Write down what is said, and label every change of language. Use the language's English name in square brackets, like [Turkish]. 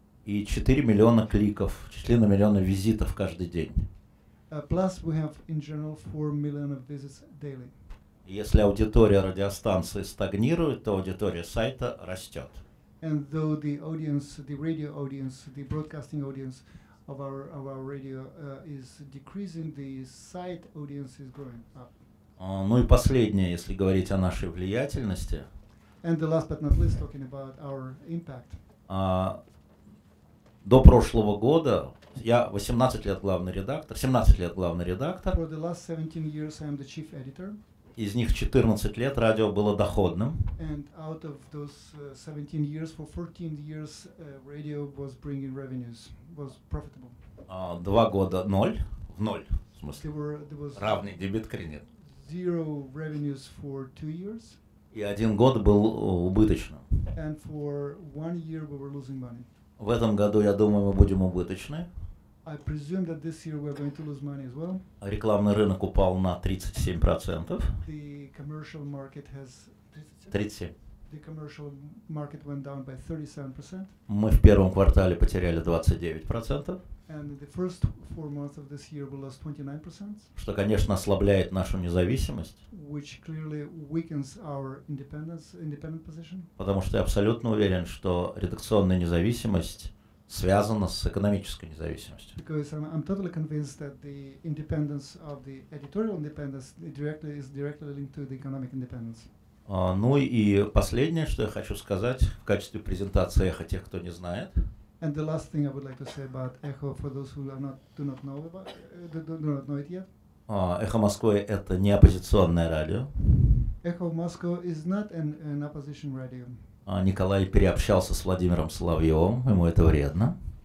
[Russian] И 4 миллиона кликов, 4 миллиона визитов каждый день. [English] Plus we have in general 4 million of visits daily. [Russian] Если аудитория радиостанции стагнирует, то аудитория сайта растет. [English] And though the audience, the radio audience, the broadcasting audience of our radio is decreasing, the site audience is growing up. [Russian] Ну и последнее, если говорить о нашей влиятельности. [English] And the last but not least, talking about our impact. [Russian] До прошлого года я 18 лет главный редактор. 17 лет главный редактор. [English] For the last 17 years, I am the chief editor. [Russian] Из них 14 лет радио было доходным. [English] And out of those 17 years, for 14 years, radio was bringing revenues, was profitable. [Russian] Два года ноль, в ноль, в смысле, равный дебет кредит. [English] Zero revenues for 2 years. [Russian] И один год был убыточным. [English] And for 1 year we were losing money. [Russian] В этом году, я думаю, мы будем убыточны. [English] I presume that this year we're going to lose money as well. [Russian] Рекламный рынок упал на 37%. [English] The commercial market has 37. The commercial market went down by 37%. [Russian] Мы в первом квартале потеряли 29%. [English] And the first 4 months of this year we lost 29%. [Russian] Что, конечно, ослабляет нашу независимость. [English] Which clearly weakens our independent position. [Russian] Потому что я абсолютно уверен, что редакционная независимость связано с экономической независимостью. [English] Because I'm totally convinced that the independence of the editorial independence is directly linked to the economic independence. [Russian] Ну и последнее, что я хочу сказать в качестве презентации «Эхо» тех, кто не знает. [English] And the last thing I would like to say about «Эхо» for those who do not know it yet. [Russian] «Эхо Москвы» — это не оппозиционное радио. [English] «Эхо Москвы» is not an opposition radio. [Russian] Николай переобщался с Владимиром Соловьевым, ему это вредно.